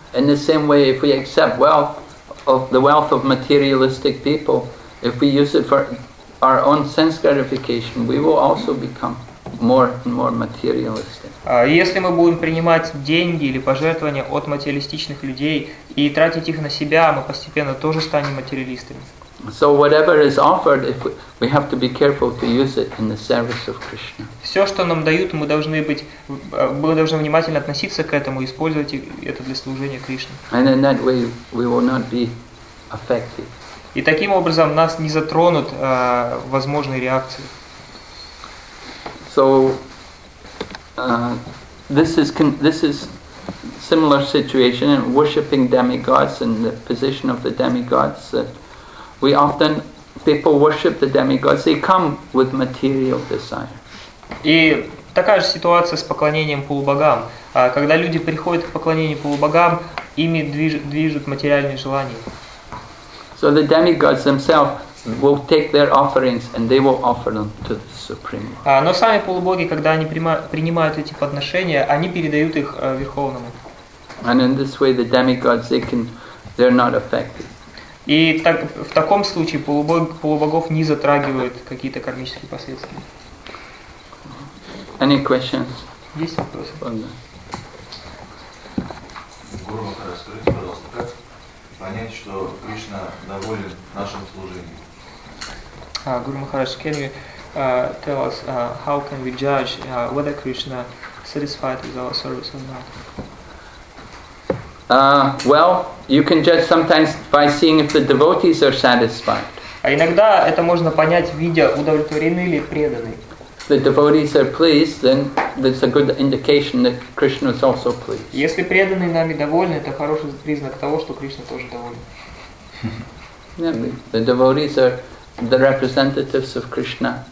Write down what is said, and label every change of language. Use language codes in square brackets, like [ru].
[en] In the same way, if we accept wealth of the wealth of materialistic people, if we use it for our own sense gratification, we will also become more and more materialistic. [ru] Если мы будем принимать деньги или пожертвования от материалистичных людей и тратить их на себя, мы постепенно тоже станем материалистами. [en] So whatever is offered, if we have to be careful to use it in the service of Krishna. [ru] Все, что нам дают, мы должны внимательно относиться к этому и использовать это для служения Кришне. [en] And in that way, we will not be affected. [ru] И таким образом нас не затронут возможные реакции. [en] So this is similar situation in worshipping demigods and the position of the demigods. We often people worship the demigods. They come with material desire. [ru] И такая же ситуация с поклонением полубогам. Когда люди приходят к поклонению полубогам, ими движут материальные желания. [en] So the demigods themselves will take their offerings and they will offer them to the Supreme Lord. [ru] Но сами полубоги, когда они принимают эти подношения, они передают их Верховному. [en] And in this way, the demigods they're not affected. [ru] И так в таком случае полубогов не затрагивают какие-то кармические последствия. [en] Any questions? [ru] Есть вопросы? Гуру, расскажите, пожалуйста, как понять, что Кришна доволен нашим служением? [en] Гуру Махарадж, can you tell us how can we judge whether Krishna satisfied with our service or not? Well, you can judge sometimes by seeing if the devotees are satisfied. [ru] А иногда это можно понять, видя удовлетворены ли преданные. [en] If the devotees are pleased, then that's a good indication that Krishna is also pleased. [ru] Если преданные нами довольны, это хороший признак того, что Кришна тоже доволен. [en] Yeah, the devotees are the representatives of Krishna.